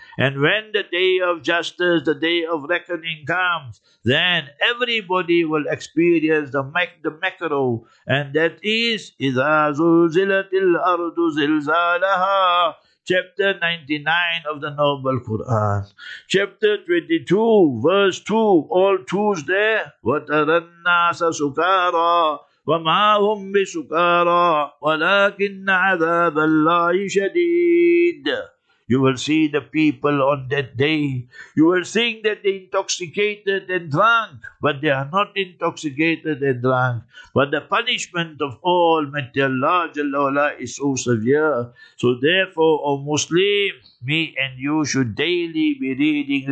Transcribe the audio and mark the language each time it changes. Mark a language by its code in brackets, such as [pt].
[en] And when the day of justice, the day of reckoning comes, then everybody will experience the macro. And that is, [ar] إِذَا زُلْزِلَتِ الْأَرْضُ زِلْزَالَهَا [en] Chapter 99 of the Noble Quran. Chapter 22, verse 2. All twos there. [ar] وَتَرَى النَّاسَ سُكَارَى وَمَا هُمْ بِسُكَارَى وَلَكِنَّ عَذَابَ اللَّهِ شَدِيدٌ [en] You will see the people on that day. You will think that they're intoxicated and drunk, but they are not intoxicated and drunk. But the punishment of all Allah Jalla Wala is so severe. So therefore, O Muslim, me and you should daily be reading.